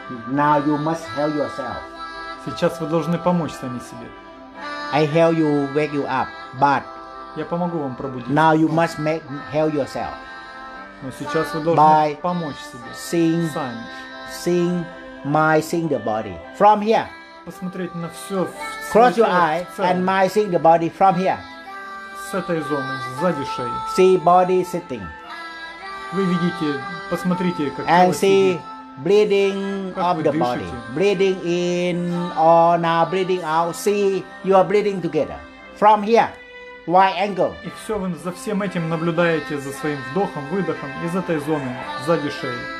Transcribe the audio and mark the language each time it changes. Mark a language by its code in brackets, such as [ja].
[en] Now you must help yourself. [ru] Сейчас вы должны помочь сами себе. [en] I help you wake you up, but [ru] я помогу вам пробудить. [en] Now you must help yourself. [ru] Но сейчас вы должны помочь себе. [en] Seeing my seeing the body from here. [ru] Посмотреть на все. [en] Close your eye and my seeing the body from here. [ru] С этой зоны, сзади шеи. [en] See body sitting. [ru] Вы видите, посмотрите, как тело [en] and see [ru] сидит. [en] Bleeding [ru] как [en] of the body. [ru] Дышите. [en] Bleeding in or now bleeding out. See, you are bleeding together. From here, wide angle. [ru] И все, вы за всем этим наблюдаете, за своим вдохом, выдохом из этой зоны, сзади шеи.